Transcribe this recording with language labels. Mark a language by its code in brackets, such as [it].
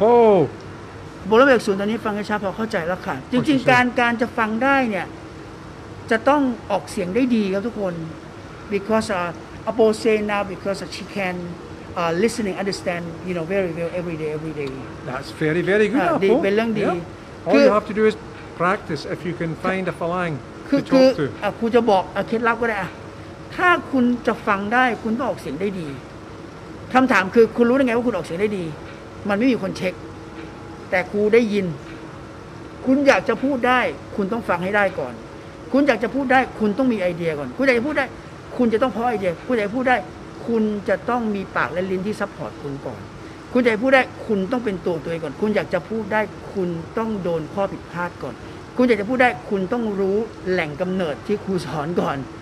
[th] บโบรเบกศูนย์ตอนนี้ฟังให้ชัดพอเข้าใจแล้วค่ะจริงๆการจะฟังได้เนี่ยจะต้องออกเสียงได้ดีครับทุกคน [en] because Apo say now because she can listening understand you know very well every day that's very very good [th] ดีเป็นเรื่องดี [en] all you have to do is practice if you can find a phalang to talk to [th] คุณจะบอกเคล็ดลับก็ได้อะถ้าคุณจะฟังได้คุณต้องออกเสียงได้ดีคำถามคือคุณรู้ได้ไงว่าคุณออกเสียงได้ดีมันไม่มีคนเช็คแต่ครูได้ยิน คุณอยากจะพูดได้คุณต้องฟังให้ได้ก่อนคุณอยากจะพูดได้คุณต้องมีไอเดียก่อนคุณอยากจะพูดได้คุณจะต้องพอไอเดียคุณอยากพูดได้คุณจะต้องมีปากและลิ้นที่ซัพพอร์ตคุณก่อนคุณอยากพูดได้คุณต้องเป็นตัวเองก่อนคุณอยากจะพูดได้คุณต้องโดนข้อผิดพลาดก่อนคุณอยากจะพูดได้คุณต้องรู้แหล่งกำเนิดที่ครูสอนก่อน